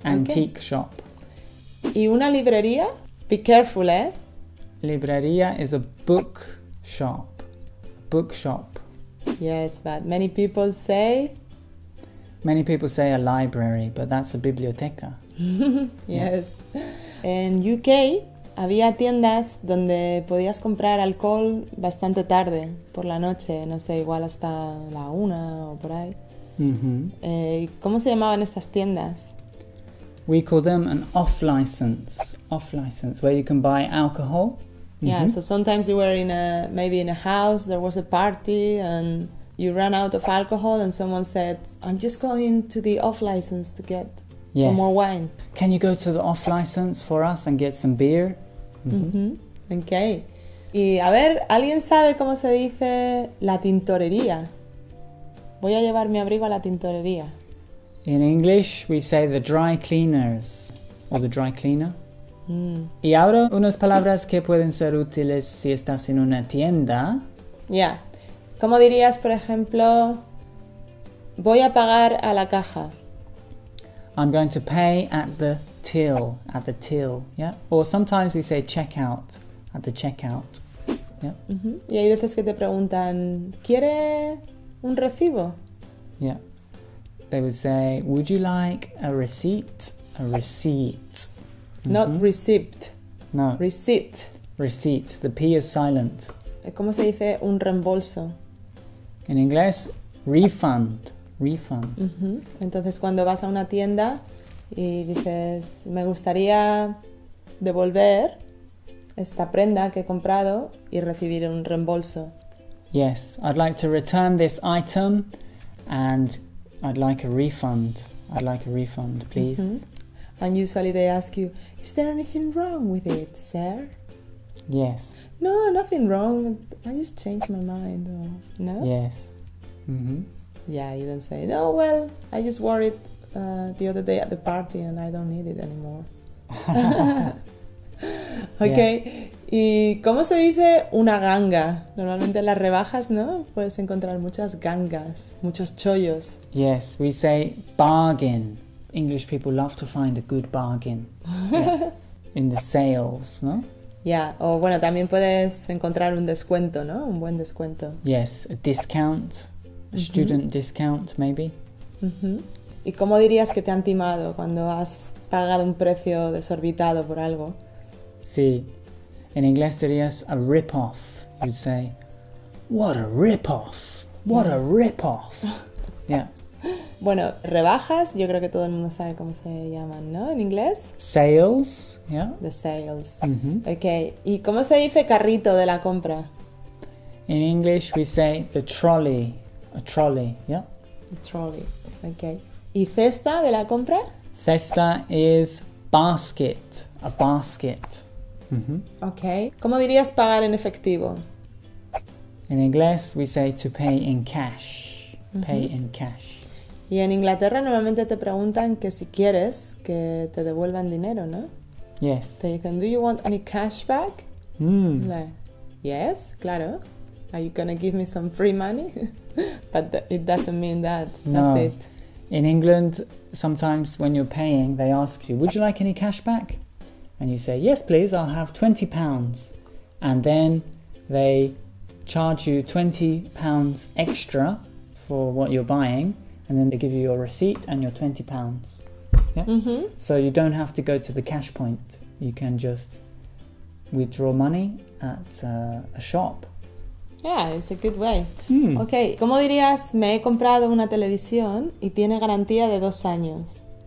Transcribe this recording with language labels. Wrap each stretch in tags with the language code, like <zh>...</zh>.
<en>Antique shop.</en> <es>¿Y una librería?</es> <en>Be careful, eh? Librería is a book shop. Book shop. Yes, but many people say... Many people say a library, but that's a biblioteca. Yes. Yeah.</en> <es>In UK, había tiendas donde podías comprar alcohol bastante tarde, por la noche, no sé, igual hasta la una o por ahí. ¿Cómo se llamaban estas tiendas?</es> <en>We call them an off-license. Off-license, where you can buy alcohol. Yeah, so sometimes you were in a, maybe in a house, there was a party, and you ran out of alcohol, and someone said, I'm just going to the off-license to get some more wine. Can you go to the off-license for us and get some beer? Okay.</en> <es>Y a ver, ¿alguien sabe cómo se dice la tintorería? Voy a llevar mi abrigo a la tintorería.</es> <en>In English, we say the dry cleaners, or the dry cleaner.</en> <es>Y ahora, unas palabras que pueden ser útiles si estás en una tienda.</es> <en>Yeah.</en> <es>¿Cómo dirías, por ejemplo, voy a pagar a la caja?</es> <en>I'm going to pay at the till, Yeah. Or sometimes we say checkout, at the checkout. Yeah.</en> <es>Y hay veces que te preguntan, ¿quiere un recibo?</es> <en>Yeah. They would say, would you like a receipt? A receipt. Not receipt. No. Receipt. Receipt. The P is silent.</en> <es>¿Cómo se dice un reembolso?</es> <en>In English, refund. Refund.</en> <es>Entonces, cuando vas a una tienda y dices, me gustaría devolver esta prenda que he comprado y recibir un reembolso.</es> <en>Yes, I'd like to return this item and I'd like a refund. I'd like a refund, please. And usually they ask you, is there anything wrong with it, sir? Yes. No, nothing wrong. I just changed my mind. Or, no? Yes. Yeah, you don't say, no, well, I just wore it the other day at the party and I don't need it anymore.</en> <es>Okay. Yeah. ¿Y cómo se dice una ganga? Normalmente en las rebajas, ¿no? Puedes encontrar muchas gangas, muchos chollos.</es> <en>Yes, we say bargain. English people love to find a good bargain in the sales, ¿no?</en> <es>Yeah, o bueno, también puedes encontrar un descuento, ¿no? Un buen descuento.</es> <en>Yes, a discount, a student discount, maybe.</en> <es>¿Y cómo dirías que te han timado cuando has pagado un precio desorbitado por algo? Sí, en inglés dirías a rip-off.</es> <en>You'd say, what a rip-off, what a rip-off. Yeah.</en> <es>Bueno, rebajas, yo creo que todo el mundo sabe cómo se llaman, ¿no? En inglés.</es> <en>Sales, yeah. The sales. Okay, ¿y cómo se dice carrito de la compra? In English we say the trolley, a trolley, yeah. The trolley, okay.</en> <es>¿Y cesta de la compra?</es> <en>Cesta is basket, a basket.</en> <es>Okay, ¿cómo dirías pagar en efectivo?</es> <en>In English we say to pay in cash, pay in cash.</en> <es>Y en Inglaterra normalmente te preguntan que si quieres que te devuelvan dinero, ¿no?</es> <en>Yes.</en> <es>Te dicen,</es> <en>do you want any cash back? Yes,</en> <es>claro.</es> <en>Are you going to give me some free money? But it doesn't mean that. No. That's it. In England, sometimes when you're paying, they ask you, would you like any cash back? And you say, yes, please, I'll have £20. And then they charge you £20 extra for what you're buying. And then they give you your receipt and your £20. Yeah? So you don't have to go to the cash point. You can just withdraw money at a shop. Yeah, it's a good way.</en> <es>Okay, ¿cómo dirías, me he comprado una televisión y tiene garantía de 2 años?</es>